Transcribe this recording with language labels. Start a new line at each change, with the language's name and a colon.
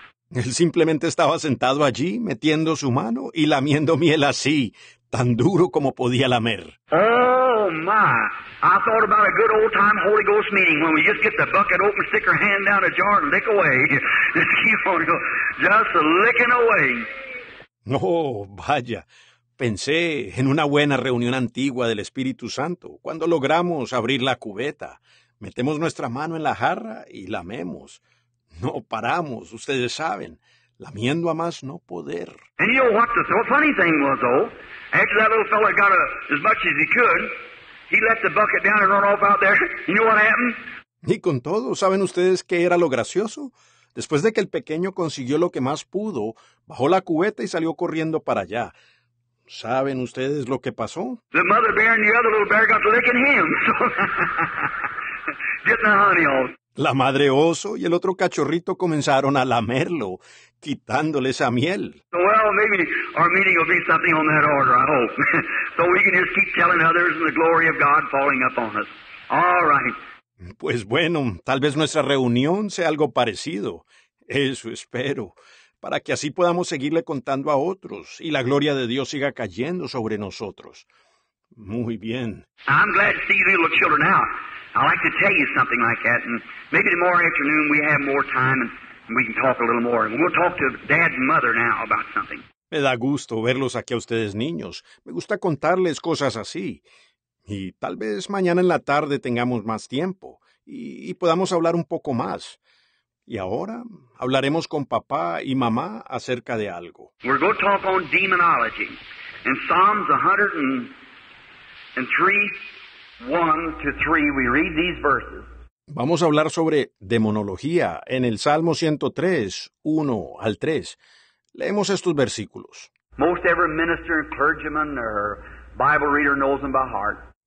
Spanish: Él simplemente estaba sentado allí, metiendo su mano y lamiendo miel así, tan duro como podía lamer.
English: Oh, my. I thought about a good old-time Holy Ghost meeting when we just get the bucket open, stick our hand down a jar and lick away. Just keep on going. Just licking away.
Spanish: Oh, vaya. Pensé en una buena reunión antigua del Espíritu Santo, cuando logramos abrir la cubeta. Metemos nuestra mano en la jarra y lamemos. No paramos, ustedes saben, lamiendo a más no poder.
English: And you know what the funny thing was, though? After that little fella got a, as much as he could, he let the bucket down and run off out there. You know what happened?
Spanish: Y con todo, ¿saben ustedes qué era lo gracioso? Después de que el pequeño consiguió lo que más pudo, bajó la cubeta y salió corriendo para allá. ¿Saben ustedes lo que pasó?
English: The mother bear and the other little bear got to licking him. So, getting the honey off.
Spanish: La madre oso y el otro cachorrito comenzaron a lamerlo, quitándole esa miel.
English: Well, maybe our meeting will be something on that order, I hope. So we can just keep telling others and the glory of God falling upon us. All right.
Spanish: Pues bueno, tal vez nuestra reunión sea algo parecido. Eso espero. Para que así podamos seguirle contando a otros y la gloria de Dios siga cayendo sobre nosotros. Muy bien.
English: I'm glad to see you little children out. I like to tell you something like that, and maybe tomorrow afternoon we have more time and we can talk a little more. And we'll talk to dad and mother now about something.
Spanish: Me da gusto verlos aquí a ustedes niños. Me gusta contarles cosas así. Y tal vez mañana en la tarde tengamos más tiempo y podamos hablar un poco más. Y ahora hablaremos con papá y mamá acerca de algo.
English: We're going to talk on demonology in Psalms 103:1-3, we read these verses.
Spanish: Vamos a hablar sobre demonología en el Salmo 103:1-3. Leemos estos versículos.
English: Most every minister and clergyman or Bible reader knows them by heart.